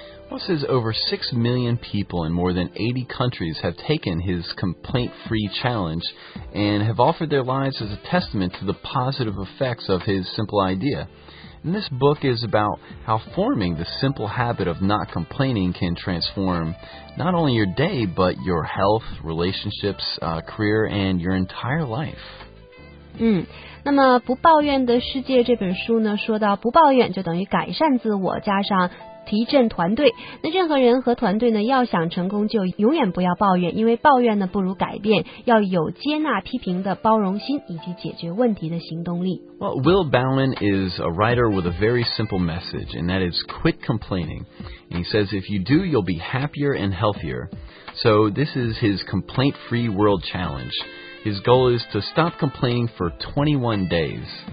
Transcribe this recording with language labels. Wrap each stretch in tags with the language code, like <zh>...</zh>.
<en>Well, it says over 6 million people in more than 80 countries have taken his complaint-free challenge and have offered their lives as a testament to the positive effects of his simple idea. And this book is about how forming the simple habit of not complaining can transform not only your day, but your health, relationships, career, and your entire life.</en> <zh>那么不抱怨的世界这本书呢说到不抱怨就等于改善自我加上提振团队那任何人和团队呢要想成功就永远不要抱怨因为抱怨呢不如改变要有接纳批评的包容心以及解决问题的行动力</zh> <en>Well, Will Bowen is a writer with a very simple message and that is quit complaining and he says if you do you'll be happier and healthier so this is his complaint-free world challengeHis goal is to stop complaining for 21 days.</en>